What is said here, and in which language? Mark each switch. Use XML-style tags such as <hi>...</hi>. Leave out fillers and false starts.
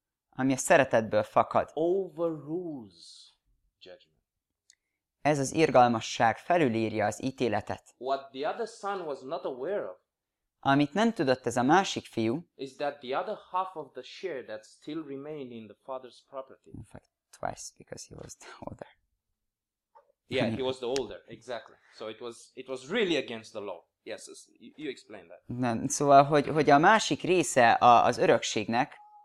<hu>ami a szeretetből fakad,</hu> <en>overrules judgment.</en> <hu>Ez az irgalmasság felülírja az ítéletet.</hu> <en>What the other son was not aware of,</en> <hu>amit nem tudott ez a másik fiú,</hu> <en>is that the other half of the share that still remained in the father's property. In fact, twice, because he was the older. Yeah, he was the older, exactly. So it was really against the law. Yes, you explain that.</en> <hu>Nem, szóval, hogy a másik része az örökségnek,</hu>